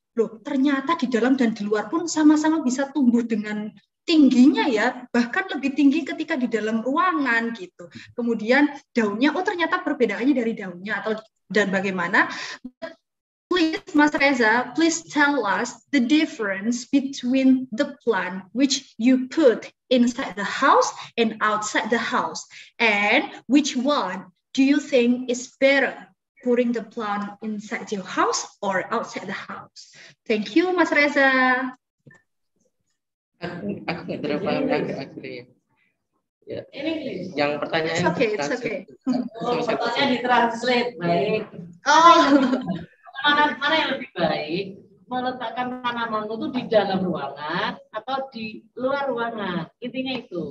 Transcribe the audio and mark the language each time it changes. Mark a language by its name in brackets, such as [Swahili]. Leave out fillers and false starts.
[Indonesian] Loh, ternyata di dalam dan di luar pun sama-sama bisa tumbuh dengan tingginya ya, bahkan lebih tinggi ketika di dalam ruangan gitu. Kemudian daunnya, oh ternyata perbedaannya dari daunnya atau dan bagaimana. [English] Please, Mas Reza, please tell us the difference between the plant which you put inside the house and outside the house, and which one do you think is better, putting the plant inside your house or outside the house? Thank you, Mas Reza. [Indonesian] Aku nggak terlalu paham akhirnya. Ya. Yang pertanyaan itu. Okay, [English] it's okay. [Indonesian] Oh, pertanyaan ditranslate baik. Oh. Mana yang lebih baik, meletakkan tanaman itu di dalam ruangan atau di luar ruangan? Intinya itu.